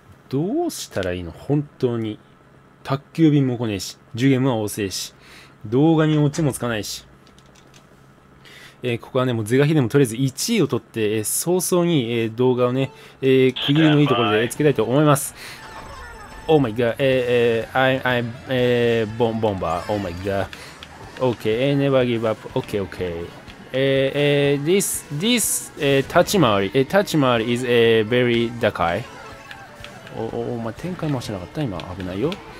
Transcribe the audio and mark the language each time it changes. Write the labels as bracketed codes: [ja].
[ja] どうしたらいいの本当に。宅急便も来ねえし、ジュゲームは遅いし、動画にオチもつかないし。ここはね、もうゼガヒでもとりあえず1位を取って、早々に、動画をね、区切りのいいところでつけたいと思います。 [en] Oh my god, I'm bomber, oh my god. Okay, never give up, okay, okay. This 立ち回り is a very dakai. [ja] お前展開もしなかった今危ないよ。